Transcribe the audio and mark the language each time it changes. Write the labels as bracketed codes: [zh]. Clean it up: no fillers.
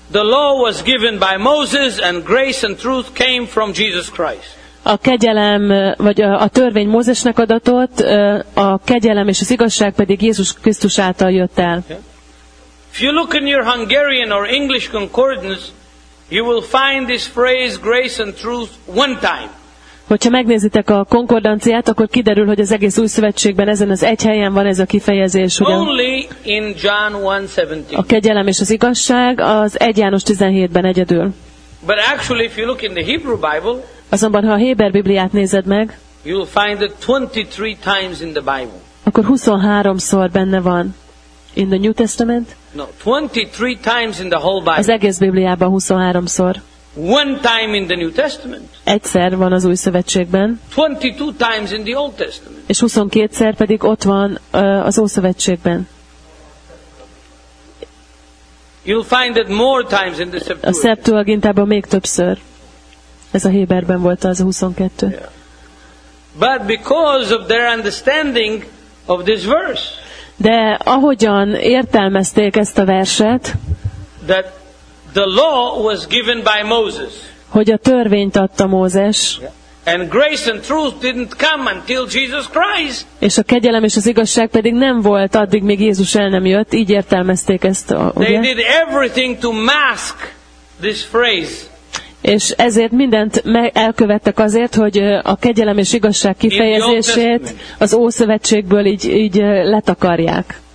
[en] The law was given by Moses, and grace and truth came from Jesus Christ. [hu] A kegyelem, vagy a törvény Mózesnek adatott, a kegyelem és az igazság pedig Jézus Krisztus által jött el. [en] If you look in your Hungarian or English concordance, you will find this phrase grace and truth one time. [hu] Hogyha megnézitek a konkordanciát, akkor kiderül, hogy az egész Új Szövetségben ezen az egy helyen van ez a kifejezés. [en] Only in John 1:17. [hu] A kegyelem és az igazság az 1 János 17-ben egyedül. [en] But actually if you look in the Hebrew Bible, [hu] azonban ha a Héber Bibliát nézed meg, [en] you will find it 23 times in the Bible. [hu] Akkor 23-szor benne van. [en] In the New Testament? No, 23 times in the whole Bible. [hu] Az egész Bibliában 23-szor. [en] One time in the New Testament. [hu] Egyszer van az Új Szövetségben. [en] 22 times in the Old Testament. [hu] És 22-szer pedig ott van az Ószövetségben. [en] You'll find it more times in the Septuagint. [hu] A Septuagintában még többször. Ez a Héberben volt az a 22. [en] Yeah. But because of their understanding of this verse. [hu] De ahogyan értelmezték ezt a verset, [en] that the law was given by Moses, [hu] hogy a törvényt adta Mózes, [en] and grace and truth didn't come until Jesus Christ, [hu] és a kegyelem és az igazság pedig nem volt addig, míg Jézus el nem jött, így értelmezték ezt, ugye? [en] They did everything to mask this phrase. [hu] és ezért mindent elkövettek azért, hogy a kegyelem és igazság kifejezését az Ószövetségből így letakarják.